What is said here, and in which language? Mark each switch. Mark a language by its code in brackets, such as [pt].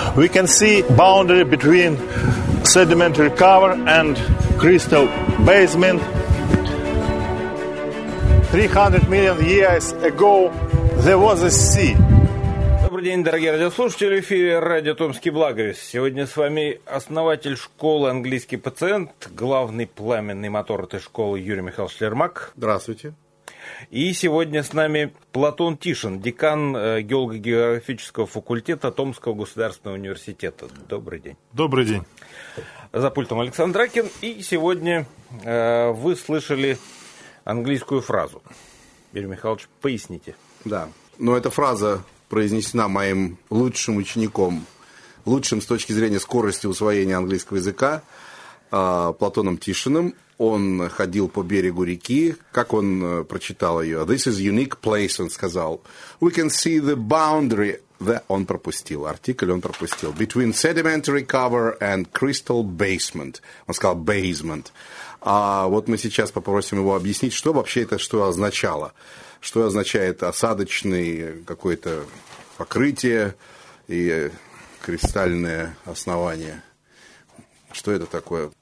[en] We can see boundary between sedimentary cover and crystal basement. 300 million years ago, there was a sea. [ru] Добрый день, дорогие радиослушатели, в эфире радио Томский Благовес. Сегодня с вами основатель школы «Английский пациент», главный пламенный мотор этой школы Юрий Михайлович Лермак. Здравствуйте. И сегодня с нами Платон Тишин, декан геолого-географического факультета Томского государственного университета. Добрый день. Добрый день. За пультом Александр Дракин. И сегодня вы слышали английскую фразу. Юрий Михайлович, поясните. Да. Но эта фраза произнесена моим лучшим учеником, лучшим с точки зрения скорости усвоения английского языка, Платоном Тишиным. Он ходил по берегу реки, как он прочитал ее. [en] This is unique place, [ru] он сказал. [en] We can see the boundary. The... [ru] Он пропустил, артикль он пропустил. [en] Between sedimentary cover and crystal basement. [ru] Он сказал basement. А вот мы сейчас попросим его объяснить, что вообще это что означало. Что означает осадочное какое-то покрытие и кристальное основание. Что это такое?